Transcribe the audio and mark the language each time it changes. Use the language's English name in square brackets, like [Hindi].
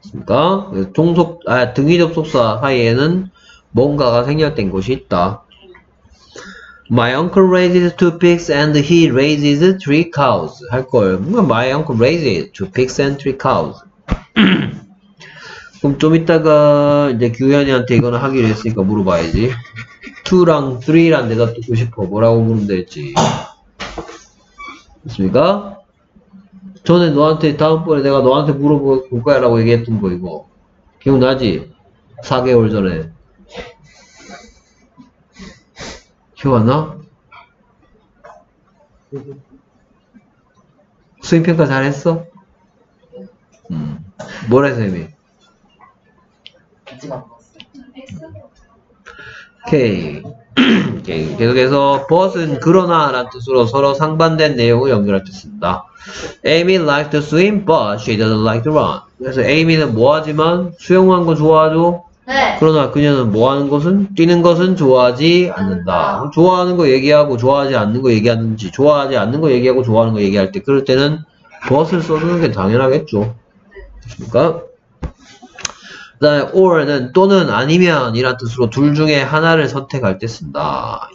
[Korean] 그러니까 종속, 아, 등위 접속사 하에는 뭔가가 생략된 것이 있다. [English] My uncle raises two pigs and he raises three cows. [Korean] 할 걸. [English] My uncle raises two pigs and three cows. [Korean] 그럼 좀 이따가 이제 규현이한테 이거는 하기로 했으니까 물어봐야지. 2랑 3랑 내가 듣고 싶어. 뭐라고 부르면 될지. 됐습니까? 전에 너한테 다음번에 내가 너한테 물어볼 거야 라고 얘기했던 거 이거 기억나지? 4개월 전에 기억 안 나? 수행평가 잘했어? 뭐래 선생님이? 오케이. 오케이. 계속해서 버스는 그러나 라는 뜻으로 서로 상반된 내용을 연결할 수 있습니다. [English] Amy likes to swim but she doesn't like to run. [Korean] 그래서 Amy는 뭐하지만 수영하는 거 좋아하죠? 네. 그러나 그녀는 뭐하는 것은? 뛰는 것은 좋아하지 않는다. 좋아하는 거 얘기하고 좋아하지 않는 거 얘기하는지 좋아하지 않는 거 얘기하고 좋아하는 거 얘기할 때 그럴 때는 버스를 써주는 게 당연하겠죠. 그러니까 그 다음에 or는 또는 아니면 이란 뜻으로 둘 중에 하나를 선택할 때 쓴다.